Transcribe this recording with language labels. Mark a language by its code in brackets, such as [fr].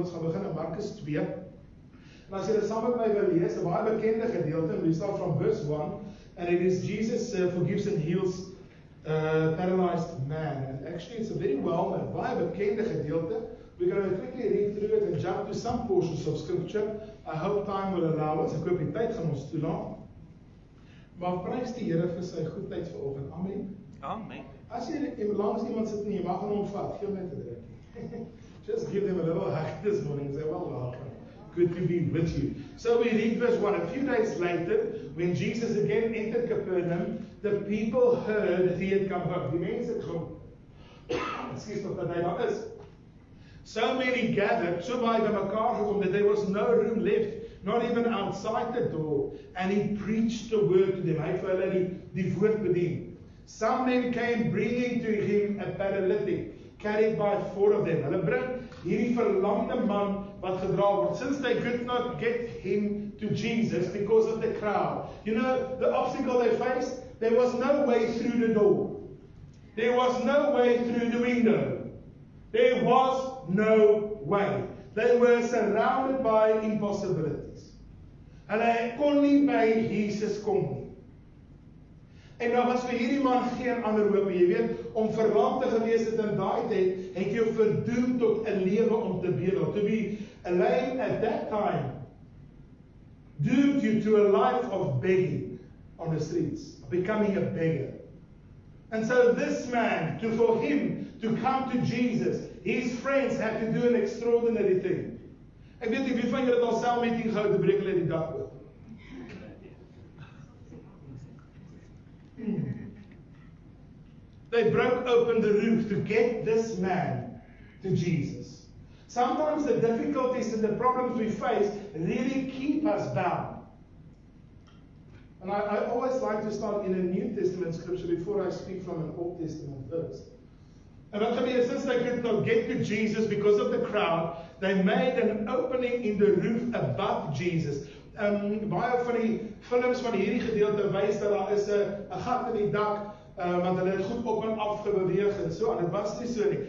[af] Ons gaan begin in Markus 2. En as jy dit saam met my wil lees, 'n baie bekende gedeelte, [en] we start from verse 1, and it is Jesus forgives and heals a paralyzed man. And actually, it's a very well and [af] baie bekende gedeelte. [en] We're going to quickly read through it and jump to some portions of scripture. I hope time will allow us. [af] Ek hoop die tyd gaan ons toelaat. Maar prys die Here vir sy goedheid vanoggend. Amen. Amen. As jy langs iemand sit en jy mag aan hom vat, gee hom net 'n drukkie. [en] Just give them a little hug this morning and say, well, welcome. Good to be with you. So we read verse 1. A few days later, when Jesus again entered Capernaum, the people heard that he had come home. [af] Die mense het gehoor. [en] Excuse me, [af] dat hy daar is. [en] So many gathered, [af] so baie bymekaar gekom, [en] that there was no room left, not even outside the door. And he preached the word to them. [af] Hy het vir hulle die woord bedien. [en] Some men came bringing to him a paralytic, carried by four of them. [af] Hulle bring hierdie verlamde man wat gedra word. [en] Since they could not get him to Jesus because of the crowd. You know, the obstacle they faced, there was no way through the door. There was no way through the window. There was no way. They were surrounded by impossibilities. [af] Hulle kon nie by Jesus kom nie. En nou was vir hierdie man geen ander hoop, jy weet, om verlamd te gewees het in daai tyd, het jou verdoem tot 'n lewe om te bedel. [en] To be lame at that time doomed you to a life of begging on the streets, becoming a beggar. And so this man, for him to come to Jesus, his friends had to do an extraordinary thing. [af] Ek weet nie wie van julle het al self meeting gehou te breek hulle die dag oop. [en] They broke open the roof to get this man to Jesus. Sometimes the difficulties and the problems we face really keep us bound. And I always like to start in a New Testament scripture before I speak from an Old Testament verse. And I'll tell you, since they could not get to Jesus because of the crowd, they made an opening in the roof above Jesus. [af] Baie van die films van hierdie gedeelte wys dat daar is 'n gat in die dak, want hulle het goed op en af gebeweeg en so, en dit was nie so nie.